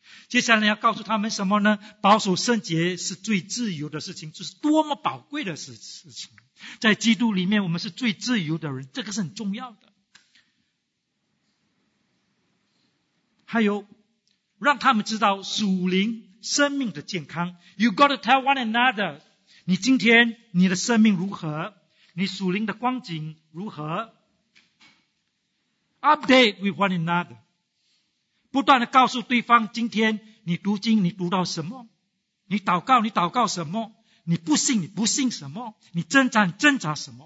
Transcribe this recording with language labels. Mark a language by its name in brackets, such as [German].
[Chinese] 接下来你要告诉他们什么呢？保守圣洁是最自由的事情，这是多么宝贵的事情。在基督里面我们是最自由的人，这个是很重要的。还有，让他们知道属灵生命的健康。 [English] You gotta tell one another. [Chinese] 你今天你的生命如何？你属灵的光景如何？ [English] Update with one another. [Chinese] 不断地告诉对方，今天你读经你读到什么，你祷告你祷告什么，你不信你不信什么，你挣扎你挣扎什么。